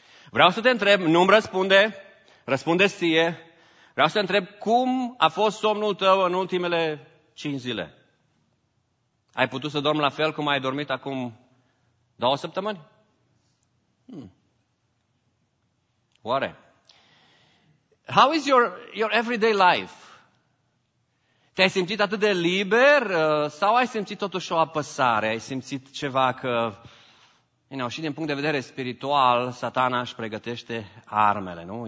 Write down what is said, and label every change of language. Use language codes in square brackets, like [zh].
[ro] Vreau să te întreb, nu-mi răspunde, răspunde-ți ție. Vreau să te întreb, cum a fost somnul tău în ultimele 5 zile? Ai putut să dormi la fel cum ai dormit acum 2 săptămâni? Oare? [en] How is your everyday life? [ro] Te-ai simțit atât de liber sau ai simțit totuși o apăsare? Ai simțit ceva că, și din punct de vedere spiritual, satana își pregătește armele, nu?